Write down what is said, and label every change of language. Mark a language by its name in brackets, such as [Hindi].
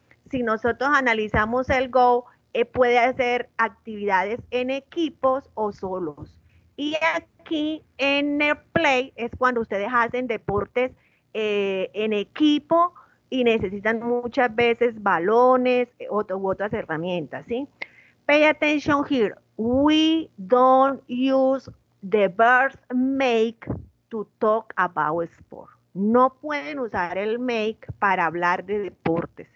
[Spanish] Si nosotros analizamos el go, puede hacer actividades en equipos o solos. Y aquí en el play es cuando ustedes hacen deportes en equipo y necesitan muchas veces balones u otras herramientas, ¿sí? [English] Pay attention here. We don't use the verb make to talk about sport. [Spanish] No pueden usar el make para hablar de deportes.